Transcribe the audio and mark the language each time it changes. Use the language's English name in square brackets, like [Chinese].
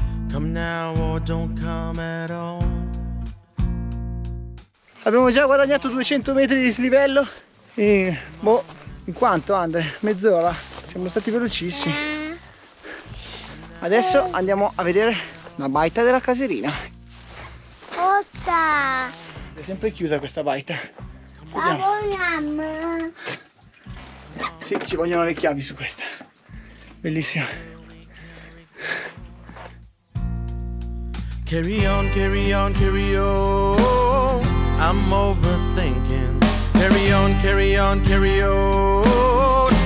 [English] Come now or don't come at all. [Italian] Abbiamo già guadagnato 200 metri di dislivello in, boh, in quanto Andre? Mezz'ora? Siamo stati velocissimi. Adesso andiamo a vedere la baita della Caserina. Osta! È sempre chiusa questa baita. Vediamo. Sì, ci vogliono le chiavi su questa. Bellissima. [English] Carry on, carry on, carry on. I'm overthinking. Carry on, carry on, carry on.